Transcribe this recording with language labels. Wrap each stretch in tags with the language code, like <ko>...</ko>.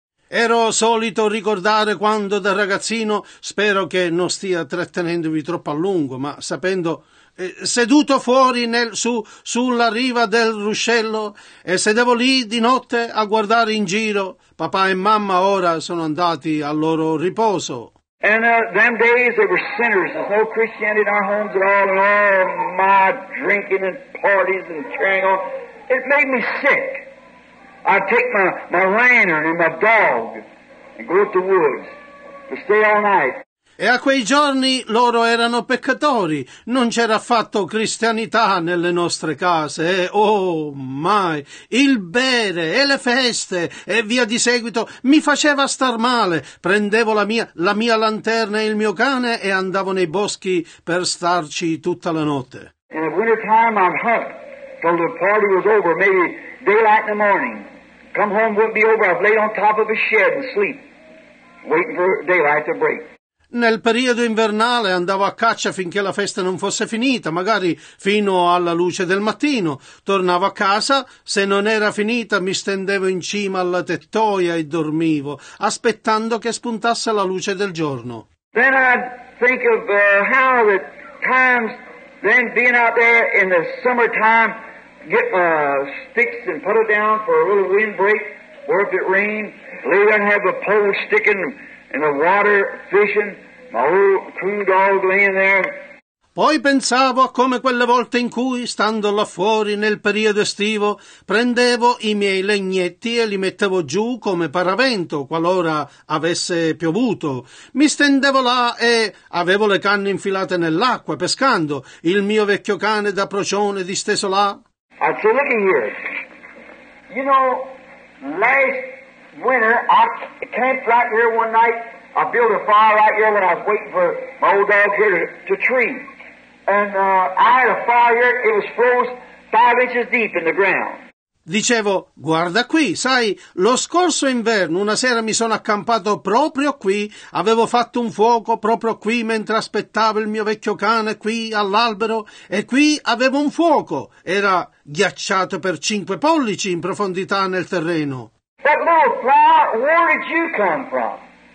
<it>Ero solito ricordare quando da ragazzino, spero che non stia trattenendovi troppo a lungo, ma sapendo, seduto fuori sulla riva del ruscello e sedevo lì di notte a guardare in giro, papà e mamma ora sono andati al loro riposo.</it> <en>And them days they were sinners. There's no Christianity in our homes at all, and all my drinking and parties and carrying on. It made me sick. I'd take my lantern and my dog and go up the woods to stay all night.</en> <it>E a quei giorni loro erano peccatori. Non c'era affatto cristianità nelle nostre case. Oh, mai! Il bere e le feste e via di seguito mi faceva star male. Prendevo la mia lanterna e il mio cane e andavo nei boschi per starci tutta la notte.</it> <en>In the winter time I'm hurt. Till the party was over, maybe daylight in the morning. Come home, wouldn't be over. I've laid on top of a shed and sleep, waiting for daylight to break.</en> <it>Nel periodo invernale andavo a caccia finché la festa non fosse finita, magari fino alla luce del mattino. Tornavo a casa, se non era finita mi stendevo in cima alla tettoia e dormivo, aspettando che spuntasse la luce del giorno.</it> <en>Then I'd think of how the times. Then being out there in the summertime, get sticks and put it down for a little wind break, or if it rained, lay there and have the pole sticking in the water, fishing, my old coon dog laying there.</en> <it>Poi pensavo a come quelle volte in cui, stando là fuori nel periodo estivo, prendevo i miei legnetti e li mettevo giù come paravento, qualora avesse piovuto. Mi stendevo là e avevo le canne infilate nell'acqua, pescando, il mio vecchio cane da procione disteso là.</it> <en>I say, look at here. You know, last winter, I camped right here one night. I built a fire right here when I was waiting for my old dog here to tree. And I had a fire here, it was froze 5 inches deep in the ground.</en> <it>Dicevo, guarda qui, sai, lo scorso inverno una sera mi sono accampato proprio qui, avevo fatto un fuoco proprio qui mentre aspettavo il mio vecchio cane qui all'albero, e qui avevo un fuoco, era ghiacciato per 5 pollici in profondità nel terreno.</it> <en>That little fly, where did you come from?</en>